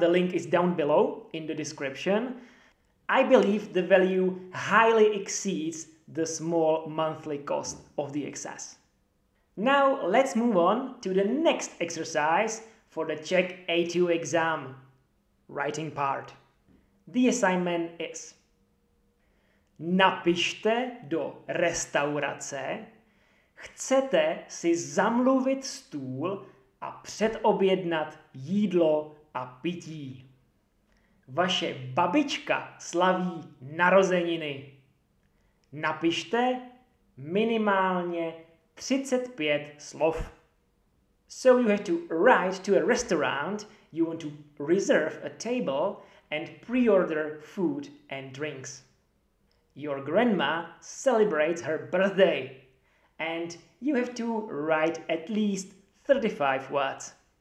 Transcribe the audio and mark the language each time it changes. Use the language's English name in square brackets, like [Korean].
[English] The link is down below in the description. I believe the value highly exceeds the small monthly cost of the excess. Now let's move on to the next exercise for the Czech A2 exam, writing part. The assignment is: [Czech] napište do restaurace, chcete si zamluvit stůl a předobjednat jídlo a pití. Vaše babička slaví narozeniny. Napište minimálně 35 slov. [English] So you have to write to a restaurant you want to reserve a table and pre-order food and drinks. Your grandma celebrates her birthday and you have to write at least 35 words.